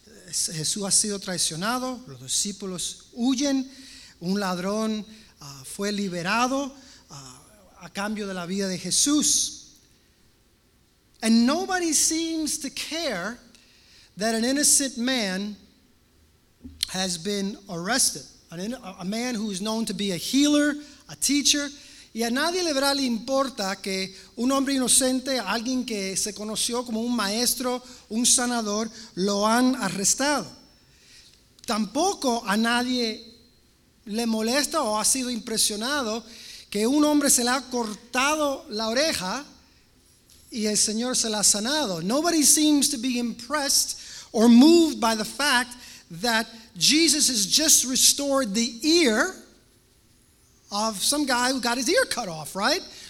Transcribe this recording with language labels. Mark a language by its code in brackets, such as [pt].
[es] Jesús ha sido traicionado, los discípulos huyen, un ladrón fue liberado a cambio de la vida de Jesús. [en] And nobody seems to care that an innocent man has been arrested, a man who is known to be a healer, a teacher. [es] Y a nadie le verá le importa que un hombre inocente, alguien que se conoció como un maestro, un sanador, lo han arrestado. Tampoco a nadie le molesta o ha sido impresionado que un hombre se le ha cortado la oreja y el Señor se la ha sanado. [en] Nobody seems to be impressed or moved by the fact that Jesus has just restored the ear of some guy who got his ear cut off, right?